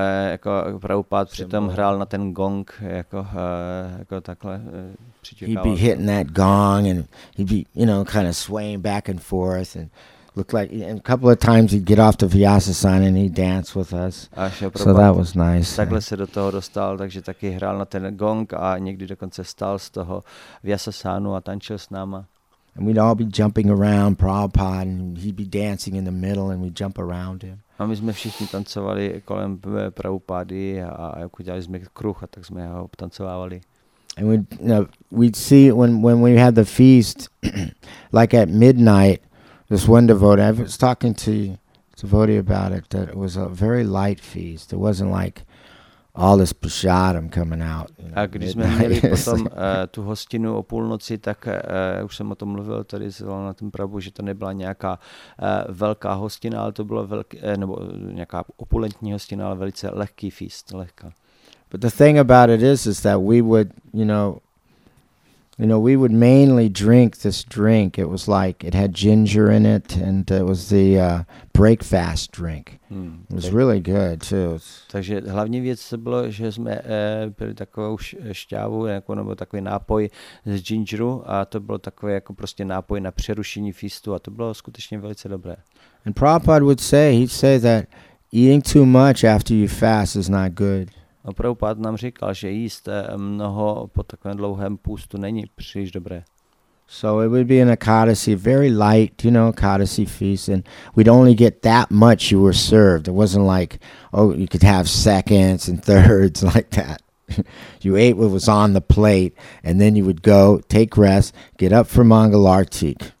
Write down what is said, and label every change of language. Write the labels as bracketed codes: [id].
[cs] Jako Prabhupád přitom hrál na ten gong jako takhle přičekával. [en] He'd be hitting that gong and he'd be, you know, kind of swaying back and forth and looked like, and a couple of times he'd get off the Vyasasana and he'd dance with us. So that was nice. [cs] Takhle se do toho dostal, takže taky hrál na ten gong a někdy dokonce stál z toho Vyasasanu a tančil s náma. [en] And we'd all be jumping around Prabhupád and he'd be dancing in the middle and we'd jump around him. [cs] A my jsme všichni tancovali kolem Prabhupády a jako dělali jsme kruh a tak jsme ho obtancovávali. [en] And we, you know, we'd see when we had the feast, like at midnight, this one devotee, I was talking to devotee about it, that it was a very light feast. It wasn't like all this prasadam coming out. You know, [cs] a když jsme měli potom tu hostinu o půlnoci, tak už jsem o tom mluvil tady na tom Prabhu, že to nebyla nějaká velká hostina, ale to bylo nebo nějaká opulentní hostina, ale velice lehký feast, lehká. [en] But the thing about it is that we would, you know, we would mainly drink this drink. It was like it had ginger in it, and it was the breakfast drink. It was really good too. [cs] Takže hlavní věc bylo, že jsme pili takovou šťávu, jako nebo takový nápoj z gingeru, a to bylo takové jako prostě nápoj na přerušení feastu, a to bylo skutečně velice dobré. [en] And Prabhupada would say, he'd say that eating too much after you fast is not good. [cs] A Prabhupád nám říkal, že jíst mnoho po takovém dlouhém půstu není příliš dobré. [en] So it would be an Ekadasi, very light, you know, Ekadasi feast, and we'd only get that much you were served. It wasn't like, oh, you could have seconds and thirds like that. You ate what was on the plate, and then you would go, take rest, get up for Mangalarti.